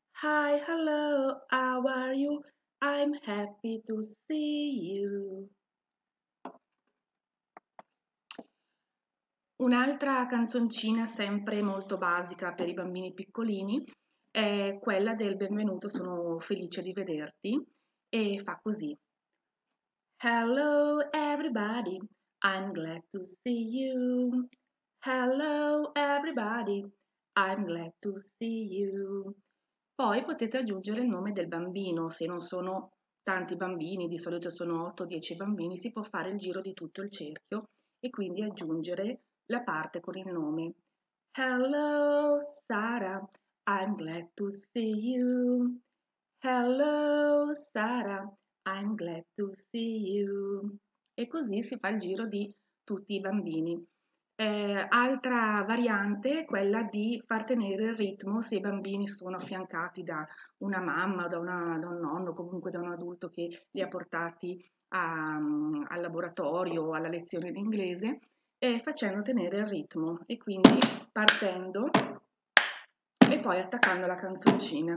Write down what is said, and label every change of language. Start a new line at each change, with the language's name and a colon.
English: Hi, hello, how are you? I'm happy to see you.
Italian: Un'altra canzoncina sempre molto basica per i bambini piccolini è quella del Benvenuto, sono felice di vederti, e fa così.
English: Hello, everybody, I'm glad to see you. Hello, everybody. I'm glad to see you.
Italian: Poi potete aggiungere il nome del bambino, se non sono tanti bambini, di solito sono 8-10 bambini, si può fare il giro di tutto il cerchio e quindi aggiungere la parte con il nome.
English: Hello Sara, I'm glad to see you. Hello Sara, I'm glad to see you.
Italian: E così si fa il giro di tutti i bambini. Altra variante è quella di far tenere il ritmo se i bambini sono affiancati da una mamma, da un nonno, comunque da un adulto che li ha portati al laboratorio o alla lezione di inglese, e facendo tenere il ritmo e quindi partendo e poi attaccando la canzoncina.